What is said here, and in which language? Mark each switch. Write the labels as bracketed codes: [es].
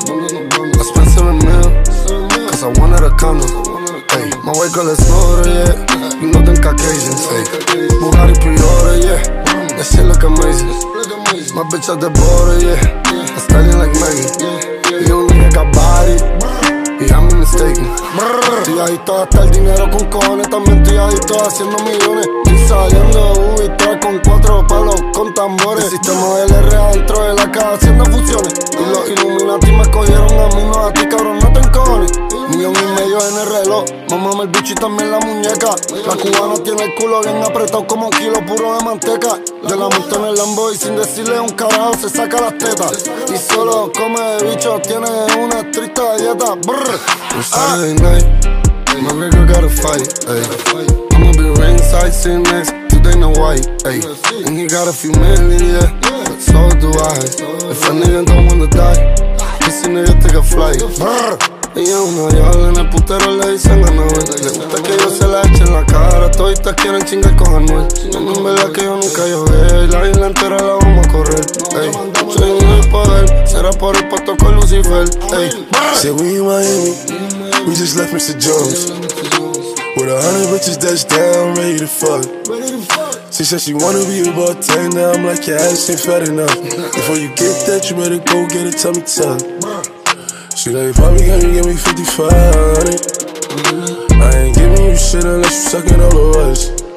[en] I spent 7 mil, cause I wanted a condo. Ay, my white girl is older, yeah. You know them Caucasians, ay. Bugatti pre-order, yeah. That shit look amazing. My bitch at the border, yeah. I studying like Megan. You don't think I got body? Yeah, I'm mistaken. [es] Estoy adicto a gastar dinero con cojones. También estoy adicto a haciendo millones. Estoy saliendo de Ubi 3 con 4 palos con tambores. El sistema LR adentro de la casa haciendo fusiones. Y los Illuminati me cogieron a mí, no a ti, cabrón, no te encojones. Millón y medio en el reloj. Mamame el bicho y también la muñeca. La cubana tiene el culo bien apretado como kilo puro de manteca. Yo la monto en el Lambo y sin decirle un carajo se saca las tetas. Y solo come de bicho, tiene una triste dieta. [en] On Saturday night, my nigga got a fight, ayy. I'ma be ringside sitting next to Dana White, ayy. And he got a few million, yeah, but so do I. If a nigga don't wanna die, this nigga take a flight. [es] Ella es una diabla, en el putero le dicen a Noel. Le gusta que yo se la eche en la cara. Toditas quieren chingar con Anuel. No, en verdad que yo nunca llogué. La isla entera la vamos a correr. Ey, soy un del poder. Será por el pato con Lucifer. Ey, [en] say we in Miami. We just left Mr. Jones. With 100 bitches that's down, ready to fuck. She said she wanna be a bartender. I'm like, your ass ain't fat enough. Before you get that, you better go get a tummy tuck. She like, Bobby, can you give me 55? I ain't giving you shit unless you suckin' all of us.